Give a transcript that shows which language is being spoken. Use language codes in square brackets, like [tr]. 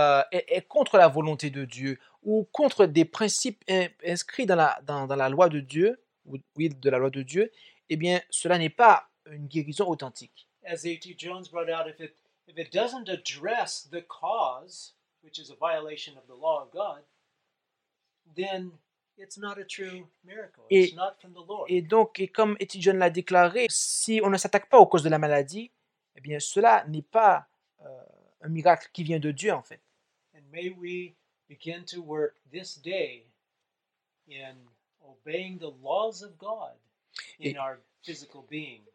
[fr] est contre la volonté de Dieu ou contre des principes inscrits dans la loi de Dieu, oui, de la loi de Dieu, eh bien, cela n'est pas une guérison authentique. [en] As A.T. Jones brought out, if it doesn't address the cause, which is a violation of the law of God, then it's not a true miracle. It's not from the Lord. [fr] Et donc, et comme A.T. Jones l'a déclaré, si on ne s'attaque pas aux causes de la maladie, eh bien, cela n'est pas un miracle qui vient de Dieu, en fait. [en] And may we begin to work this day in obeying the laws of God in our physical being.